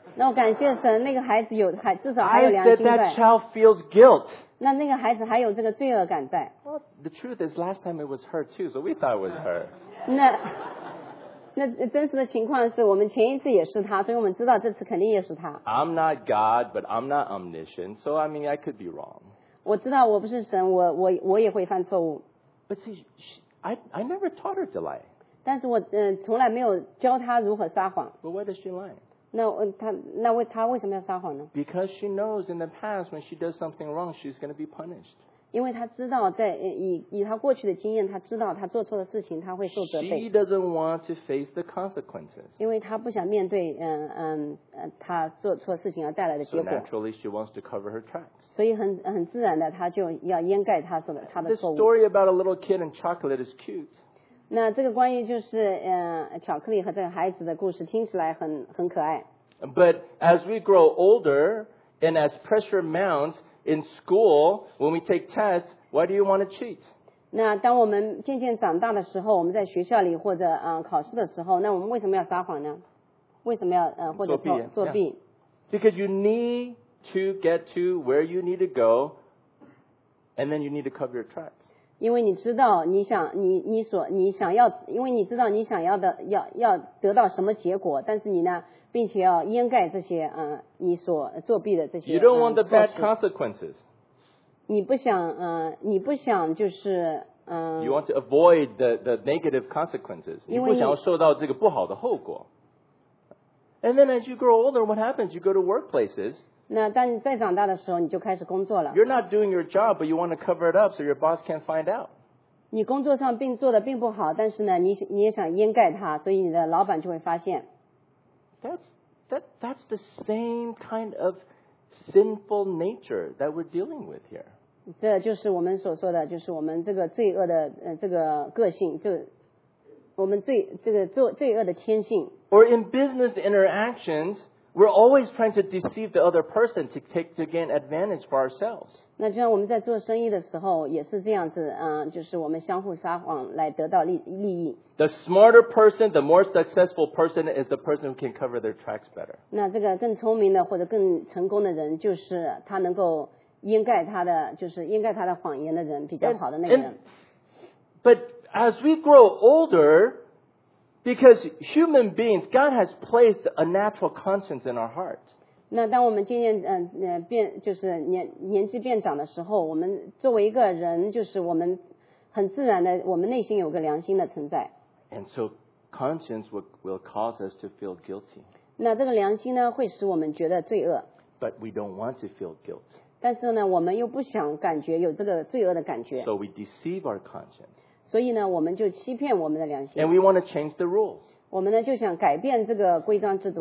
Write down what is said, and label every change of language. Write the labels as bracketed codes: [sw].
[zh] 那我感谢神，那个孩子有还至少还有良心在。 [en] I said that child feels guilt. [zh] 那个孩子还有这个罪恶感在。 [en] Well, the truth is, last time it was her too, so we thought it was her. [zh] 那真实的情况是我们前一次也是他，所以我们知道这次肯定也是他。 [en] I'm not God, but I'm not omniscient, so I mean I could be wrong. [zh] 我知道我不是神，我也会犯错误。 [en] But I never taught her to lie. [zh] 但是我从来没有教她如何撒谎。 [en] But why does she lie? [zh] 那她为什么要撒谎呢？ [en] Because she knows in the past when she does something wrong, she's going to be punished. [zh] 因为她知道在以她过去的经验，她知道她做错的事情，她会受责备。 [en] She doesn't want to face the consequences. [zh] 因为她不想面对她做错事情要带来的结果。 [en] So naturally, she wants to cover her tracks. [zh] 所以很自然的，他就要掩盖他的错误。 [en] The story about a little kid and chocolate is cute. [zh] 那这个关于就是巧克力和这个孩子的故事听起来很可爱。 [en] But as we grow older and as pressure mounts in school, when we take tests, why do you want to cheat? [zh] 那当我们渐渐长大的时候，我们在学校里或者考试的时候，那我们为什么要撒谎呢？为什么要或者作弊？ [en] Yeah. Because you need to get to where you need to go, and then you need to cover your tracks. [zh] 因为你知道你想你所你想要，因为你知道你想要的要得到什么结果，但是你呢，并且要掩盖这些你所作弊的这些。 [en] You don't want the bad consequences. [zh] 你不想你不想就是 [en] You want to avoid the negative consequences. [zh] 因为你不想要受到这个不好的后果。 [en] And then as you grow older, what happens? You go to workplaces. [zh] 那当你再长大的时候，你就开始工作了。 [en] You're not doing your job, but you want to cover it up so your boss can't find out. [zh] 你工作上并做的并不好，但是呢，你也想掩盖它，所以你的老板就会发现。 [en] That's the same kind of sinful nature that we're dealing with here. [zh] 这就是我们所说的，就是我们这个罪恶的这个个性，就我们罪恶的天性。 [en] Or in business interactions. We're always trying to deceive the other person to take to gain advantage for ourselves. [zh] 那就像我们在做生意的时候也是这样子，就是我们相互撒谎来得到利益。 [en] The smarter person, the more successful person is the person who can cover their tracks better. [zh] 那这个更聪明的或者更成功的人，就是他能够掩盖他的，就是掩盖他的谎言的人，比较好的那个人。 [en] But as we grow older,Because human beings, God has placed a natural conscience in our hearts. [zh] 那当我们渐渐变就是年纪变长的时候，我们作为一个人，就是我们很自然的，我们内心有个良心的存在。 [en] And so conscience will cause us to feel guilty. [zh] 那这个良心呢，会使我们觉得罪恶。 [en] But we don't want to feel guilt. [zh] 但是呢，我们又不想感觉有这个罪恶的感觉。 [en] So we deceive our conscience. [zh] 所以呢，我们就欺骗我们的良心。 [en] And we want to change the rules. [zh] 我们呢就想改变这个规章制度。